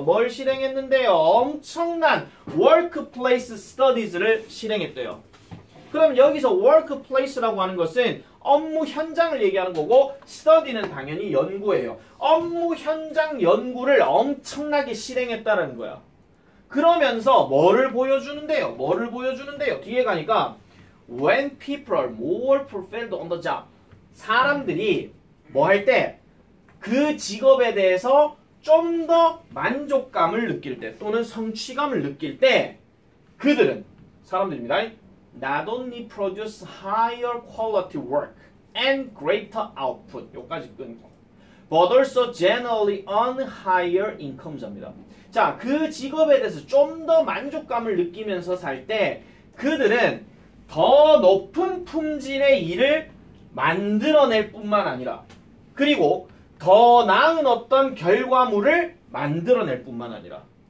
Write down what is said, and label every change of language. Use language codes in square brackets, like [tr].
[ko] 뭘 실행했는데요? 엄청난 [en] workplace studies [ko] 를 실행했대요. 그럼 여기서 workplace라고 하는 것은 업무 현장을 얘기하는 거고 스터디는 당연히 연구예요. 업무 현장 연구를 엄청나게 실행했다는 거야. 그러면서 뭐를 보여주는데요? 뭐를 보여주는데요? 뒤에 가니까 [en] When people are more fulfilled on the job. [ko] 사람들이 뭐 할 때 그 직업에 대해서 좀 더 만족감을 느낄 때 또는 성취감을 느낄 때 그들은 사람들입니다. [en] Not only produce higher quality work and greater output. [ko] 여기까지 끊고. [en] But also generally earn higher incomes입니다. [ko] 자, 그 직업에 대해서 좀 더 만족감을 느끼면서 살 때 그들은 더 높은 품질의 일을 만들어낼 뿐만 아니라 그리고 더 나은 어떤 결과물을 만들어낼 뿐만 아니라